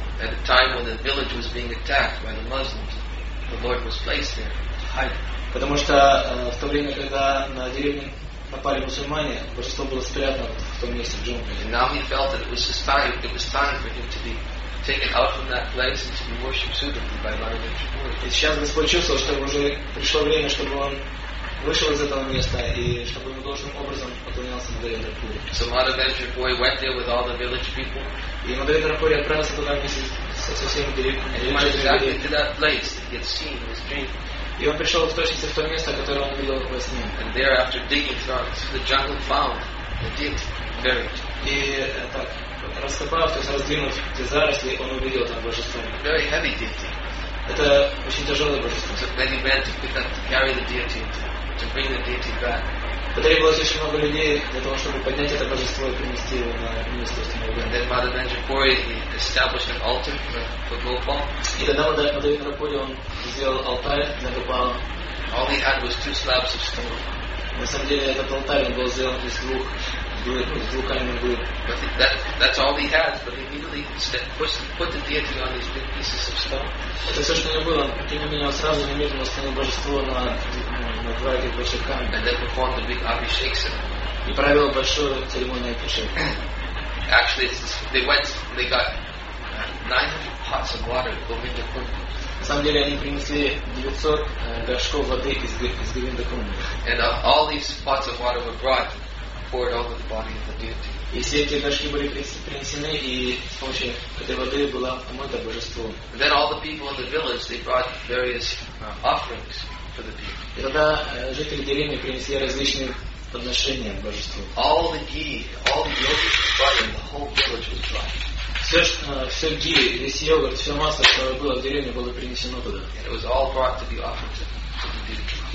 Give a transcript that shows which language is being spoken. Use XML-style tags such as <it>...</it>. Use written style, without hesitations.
<en>At a time when the village was being attacked by the Muslims, the Lord was placed there.</en> <ru>Потому что в то время, когда на деревне напали мусульмане, божество было спрятано в том месте в джунглях.</ru> <en>And now he felt that it was time for him to be taken out from that place and to be worshipped suitably by Madhavendrapuri.</en> <ru>И сейчас Господь чувствовал, что уже пришло время, чтобы он вышел из этого места и чтобы ему должным образом поклонялся Мадхавендрапури.</ru> <en>So Madhavendrapuri went there with all the village people.</en> <ru>И Мадхавендрапури отправился туда вместе со всеми деревнями.</ru> <en>Exactly to that place that he had seen in his dream.</en> <ru>И он пришел в точности в то место, которое он видел во сне.</ru> <en>And there, after digging through the jungle, found the deity buried.</en> <ru>И так раскопав, то есть раздвинув эти заросли, он увидел там божество.</ru> <en>Very heavy deity.</en> <ru>Это очень тяжелое божество.</ru> <en>So many men to carry the deity, to bring the deity back.</en> <ru>Потребовалось очень много людей для того, чтобы поднять это божество и принести его на место установления.</ru> <en>And then Madhavendrapuri established an altar for Gopal.</en> <ru>И тогда Мадхавендрапури он сделал алтарь для Гопала.</ru> <en>All he had was two slabs of stone.</en> <ru>На самом деле этот алтарь был сделан из двух каменных глыб.</ru> <en>That's all he has, but he immediately put the deity on these big pieces of stone.</en> <ru>Это все, что у него было. Тем не менее, он сразу немедленно установил божество на два этих больших камня.</ru> <en>And then performed the big abhishek ceremony.</en> <ru>И провел большую церемонию обрешения.</ru> <en>Actually, they got 900 pots of water to go into Kundu.</en> <ru>На самом деле они принесли 900 горшков воды из Гвиндакунды.</ru> <en>And all these pots of water were brought, poured over the body of the deity.</en> <ru>И все эти горшки были принесены, и с помощью этой воды была омыта божество.</ru> <en>Then all the people in the village they brought various offerings for the deity.</en> <ru>И тогда жители деревни принесли различные подношения божеству.</ru> <en>All the ghee, all the yogurt was brought, and the whole village was brought.</en> <ru>Все ги, весь йогурт, все масло, которое было в деревне, было принесено туда.</ru> <en>It was all brought to be offered to the deity.</en>